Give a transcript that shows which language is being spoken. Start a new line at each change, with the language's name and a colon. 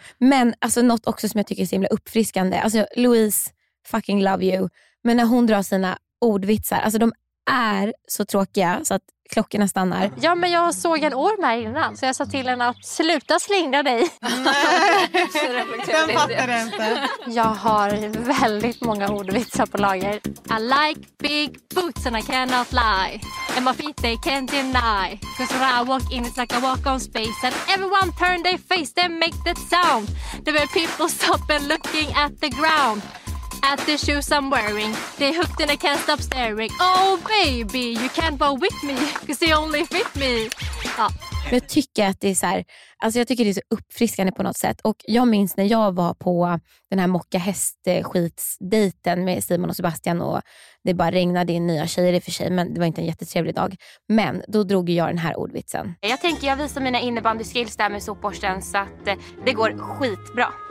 Swedish: Men alltså, något också som jag tycker är så himla uppfriskande. Alltså, Louise,
English: fucking love you.
Swedish: Men när hon drar sina ordvitsar. Alltså, de är så tråkiga så att klockorna stannar. Ja, men jag såg en orm här innan, så jag sa till henne att sluta slingra dig. Nej, den fattar jag inte. Jag har väldigt många ordvitsar på lager.
English: I like big boots and I cannot lie. And my feet they can't deny. Cause when I walk in it's like I walk on space. And everyone turn their face, they make that sound. There were people stopping looking at the ground. At the shoes I'm wearing, they hooked and I can't stop staring. Oh baby, you can't go with me, cause they only fit me.
Swedish: Ja. Men jag tycker att det är så här, alltså jag tycker det är så uppfriskande på något sätt. Och jag minns när jag var på den här mocka hästskitsdejten med Simon och Sebastian, och det bara regnade in nya tjejer i för sig, men det var inte en jättetrevlig dag. Men då drog jag den här ordvitsen. Jag tänker jag visar mina innebandy skills där med sopborsten, så att det går skitbra.